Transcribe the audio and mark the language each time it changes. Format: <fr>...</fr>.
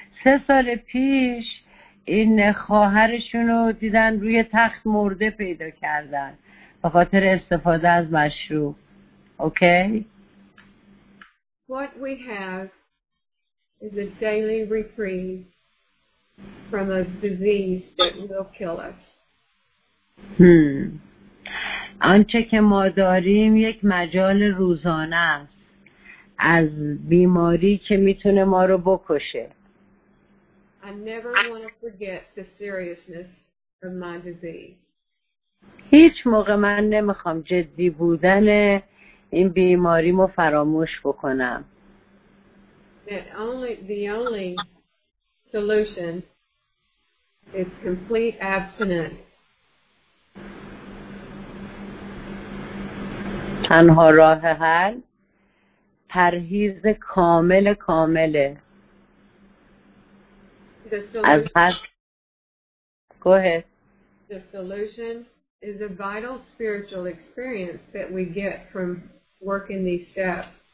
<fa>3 سال پیش این خواهرشون رو دیدن روی تخت مرده پیدا کردن به خاطر استفاده از مشروب.</fa> <en>Okay? What we have is a daily reprieve from a disease that will kill us.</en> <fa>آنچه که ما داریم یک مجال روزانه است از بیماری که میتونه ما رو بکشه.</fa> <en>I never want to forget the seriousness of my disease.</en> <fa>هیچ موقع من نمیخوام جدی بودن این بیماری رو فراموش بکنم.</fa> <en>The only solution is complete abstinence.</en> <fa>تنها راه حل پرهیز کامل کامله از هست.</fa> <en>Go ahead. The solution is a vital spiritual experience that we get from working these steps.</en>